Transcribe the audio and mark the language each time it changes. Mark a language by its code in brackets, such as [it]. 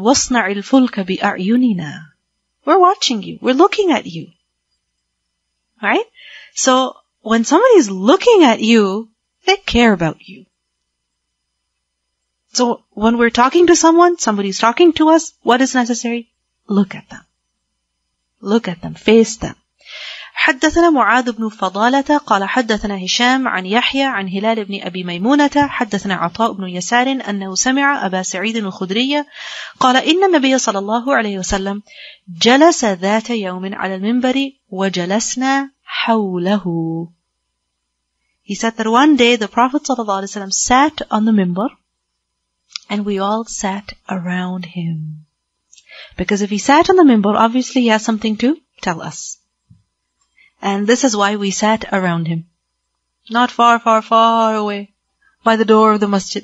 [ar] وَاصْنَعِ الْفُلْكَ بِأَعْيُنِنَا. [en] We're watching you. We're looking at you. Right? So, when somebody is looking at you, they care about you. So when we're talking to someone, somebody's talking to us, what is necessary? Look at them. Look at them. Face them. [ar] حدثنا معاذ بن فضالة قال حدثنا هشام عن يحيى عن هلال بن أبي ميمونة حدثنا عطاء بن يسار أنه سمع أبا سعيد الخدري قال إن النبي صلى الله عليه وسلم جلس ذات يوم على المنبر وجلسنا حوله. [en] He said that one day the Prophet ﷺ sat on the minbar and we all sat around him. Because if he sat on the minbar, obviously he has something to tell us. And this is why we sat around him. Not far, far, far away by the door of the masjid.